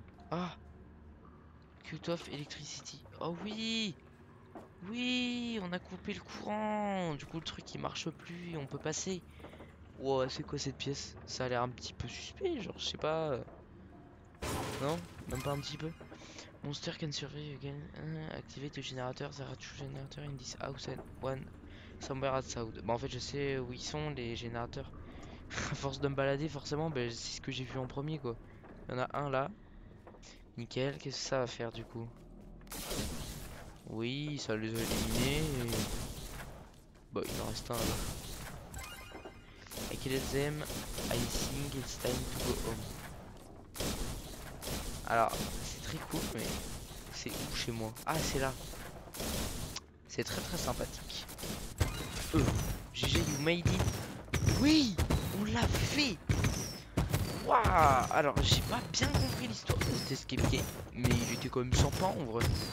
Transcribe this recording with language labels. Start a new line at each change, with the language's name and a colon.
English: Ah! Cut off electricity.
French: Oh oui! Oui, on a coupé le courant. Du coup, le truc il marche plus et on peut passer. Wow, c'est quoi cette pièce? Ça a l'air un petit peu suspect, genre je sais pas. Non, même pas un petit peu.
English: Monster can survive again. Activate the generator. There are two generators in this house and one somewhere outside.
French: Bon, en fait, je sais où ils sont les générateurs. À force de me balader, forcément, ben, c'est ce que j'ai vu en premier quoi. Il y en a un là. Nickel, qu'est-ce que ça va faire du coup? Oui, ça les a éliminés. Et... bah, il en reste un là.
English: I killed them. I think it's time to go home.
French: Alors, c'est très cool, mais c'est où chez moi? Ah, c'est là. C'est très très sympathique.
English: GG, you made it.
French: Oui, on l'a fait. Wouah! Alors, j'ai pas bien compris l'histoire de cet escape game, mais il était quand même sympa en vrai.